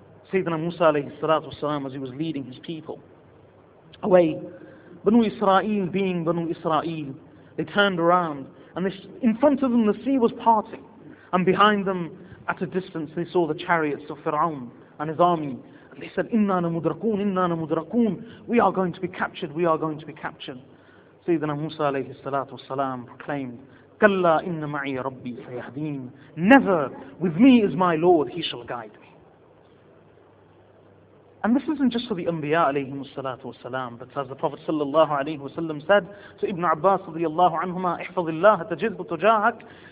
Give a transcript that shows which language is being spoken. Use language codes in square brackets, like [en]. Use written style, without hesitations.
[en] Sayyidina Musa alayhi salatu wasalam, as he was leading his people away, Banu Israel being Banu Israel, they turned around and in front of them the sea was parting, and behind them at a distance they saw the chariots of Fir'aun and his army. And they said, [ar] إِنَّا نَمُدْرَكُونَ إِنَّا نَمُدْرَكُونَ. [en] We are going to be captured, we are going to be captured. Sayyidina Musa alayhi salatu wasalam proclaimed, [ar] كَلَّا إِنَّ مَعِيَ رَبِّي سَيَهْدِينَ. [en] Never, with me is my Lord, he shall guide me. And this isn't just for the Anbiya alayhim salatu wasalam, but as the Prophet sallallahu alayhi wasallam said to Ibn Abbas radiyallahu anhuma, [ar] احفظ الله تجذب تجاهك.